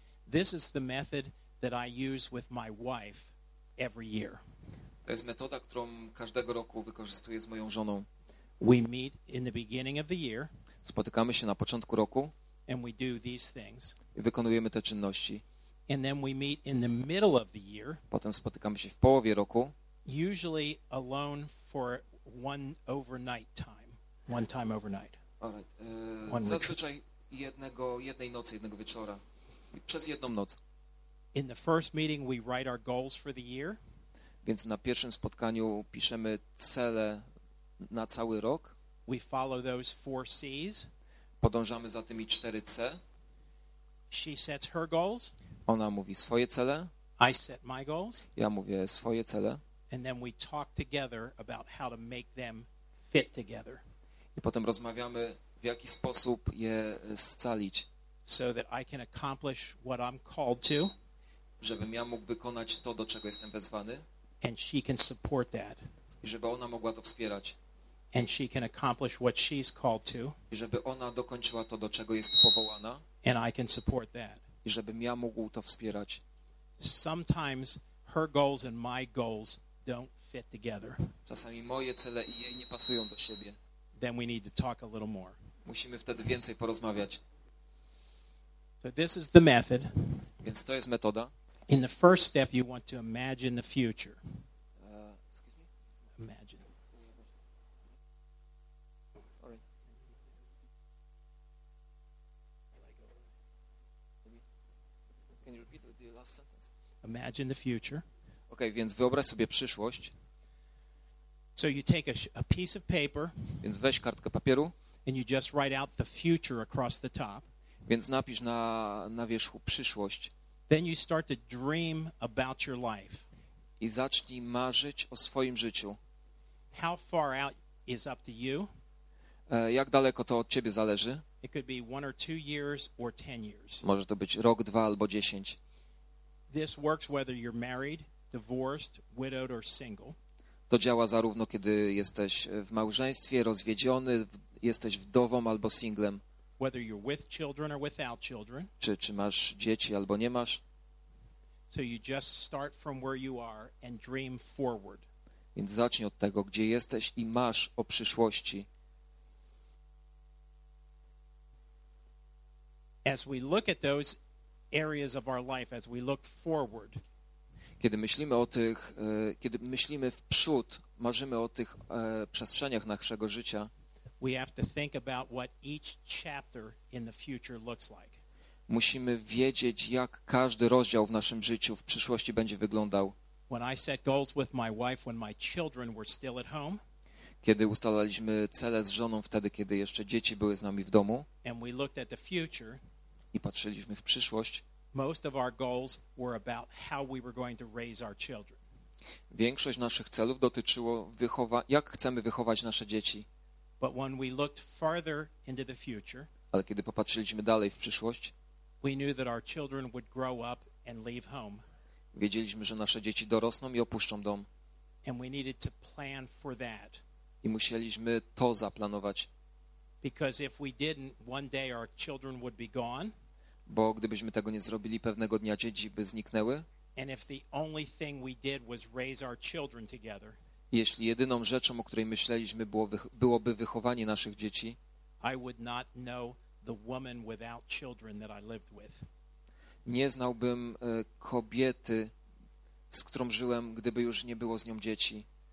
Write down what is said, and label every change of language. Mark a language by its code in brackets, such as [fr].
[en] This is the method that I use with my wife every year. [pl] To jest metoda, którą każdego roku wykorzystuję z moją żoną. [en] We meet in the beginning of the year. [pl] Spotykamy się na początku roku. [en] And we do these things. [pl] I wykonujemy te czynności. [en] And then we meet in the middle of the year. [pl] Potem spotykamy się w połowie roku. [en] Usually alone for one overnight time. One time overnight. All right. [pl] Zazwyczaj jednej nocy, jednego wieczora. Przez jedną noc. [en] In the first meeting we write our goals for the year. [pl] Więc na pierwszym spotkaniu piszemy cele na cały rok. [en] We follow those four C's. [pl] Podążamy za tymi 4 C. [en] She sets her goals. [pl] Ona mówi swoje cele. [en] I set my goals. [pl] Ja mówię swoje cele. [en] And then we talk together about how to make them fit together. [pl] I potem rozmawiamy, w jaki sposób je scalić. [en] So that I can accomplish what I'm called to. [pl] Żebym ja mógł wykonać to, do czego jestem wezwany. [en] And she can support that. [pl] I żeby ona mogła to wspierać. [en] And she can accomplish what she's called to. [pl] I żeby ona dokończyła to, do czego jest powołana. [en] And I can support that. [pl] I żebym ja mógł to wspierać. [en] Sometimes her goals and my goals don't fit together. [pl] Czasami moje cele i jej nie pasują do siebie. [en] Then we need to talk a little more. [pl] Musimy wtedy więcej porozmawiać. [en] So this is the method. [pl] Więc to jest metoda. [en] In the first step you want to imagine the future. Excuse me? Imagine. Can you repeat the last sentence? Imagine the future. [pl] Okay, więc wyobraź sobie przyszłość. [en] So you take a piece of paper. [pl] Więc weź kartkę papieru. [en] And you just write out the future across the top. [pl] Więc napisz na wierzchu przyszłość. [en] Then you start to dream about your life. [pl] I zacznij marzyć o swoim życiu. [en] How far out is up to you? [pl] Jak daleko to od ciebie zależy? [en] It could be 1 or 2 years or 10 years. [pl] Może to być rok, dwa albo 10. [en] This works whether you're married, divorced, widowed or single. [pl] To działa zarówno kiedy jesteś w małżeństwie, rozwiedziony, jesteś wdową albo singlem. [en] Whether you're with children or without children. [pl] Czy masz dzieci albo nie masz. [en] So you just start from where you are and dream forward. [pl] Więc zacznij od tego, gdzie jesteś i masz o przyszłości. [en] As we look at those areas of our life, as we look forward. [pl] Kiedy myślimy o tych, kiedy myślimy w przód, marzymy o tych przestrzeniach naszego życia. [en] We have to think about what each chapter in the future looks like. [pl] Musimy wiedzieć, jak każdy rozdział w naszym życiu w przyszłości będzie wyglądał. [en] When I set goals with my wife when my children were still at home. [pl] Kiedy ustalaliśmy cele z żoną wtedy, kiedy jeszcze dzieci były z nami w domu. [en] And we looked at the future. [pl] I patrzyliśmy w przyszłość. [en] Most of our goals were about how we were going to raise our children. [pl] Większość naszych celów dotyczyło jak chcemy wychować nasze dzieci. [en] But when we looked farther into the future, [pl] ale kiedy popatrzyliśmy dalej w przyszłość, [en] we knew that our children would grow up and leave home. [pl] Wiedzieliśmy, że nasze dzieci dorosną i opuszczą dom. [en] And we needed to plan for that. [pl] I musieliśmy to zaplanować. [en] Because if we didn't, one day our children would be gone. [pl] Bo gdybyśmy tego nie zrobili, pewnego dnia dzieci by zniknęły. [en] And if the only thing we did was raise our children together. [pl] Jeśli jedyną rzeczą, o której myśleliśmy, byłoby wychowanie naszych dzieci, [en] I would not know the woman without children that I lived with. [pl] Nie znałbym kobiety, z którą żyłem, gdyby już nie było z nią dzieci.